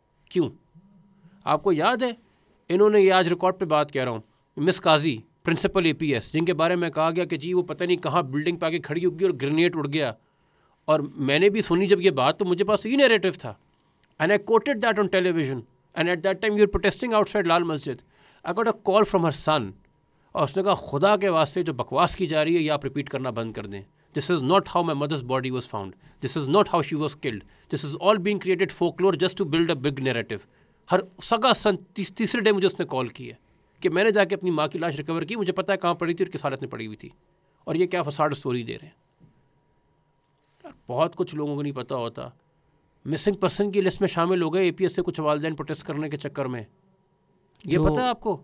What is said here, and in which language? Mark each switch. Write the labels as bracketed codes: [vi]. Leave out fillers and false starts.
[ur] کیوں؟ آپ کو یاد ہے انہوں نے, یہ آج ریکارڈ پہ بات کہہ رہا ہوں, مس قاضی پرنسپل اے پی ایس, جن کے بارے میں کہا گیا کہ جی وہ پتہ نہیں کہاں بلڈنگ پہ آ کے کھڑی ہوگی اور گرینیڈ اڑ گیا, اور میں نے بھی سنی جب یہ بات تو مجھے پاس یہ نیریٹو تھا, [en] And I quoted that on television. And at that time, we were protesting outside Lal Masjid. I got a call from her son. [ur] اور اس نے کہا خدا کے واسطے جو بکواس کی جا رہی ہے یہ آپ ریپیٹ کرنا بند کر دیں. [en] This is not how my mother's body was found. This is not how she was killed. This is all being created folklore just to build a big narrative. [ur] ہر سگا سن تیسرے ڈے مجھے اس نے کال کی ہے کہ میں نے جا کے اپنی ماں کی لاش ریکور کی, مجھے پتا ہے کہاں پڑی تھی اور کس حالت میں پڑی ہوئی تھی, اور یہ کیا فساڈ اسٹوری دے رہے ہیں. بہت کچھ لوگوں کو نہیں پتا ہوتا, مسنگ پرسن کی لسٹ میں شامل ہو گئے اے پی ایس سے کچھ والدین پروٹیسٹ کرنے کے چکر میں, یہ پتا ہے آپ کو؟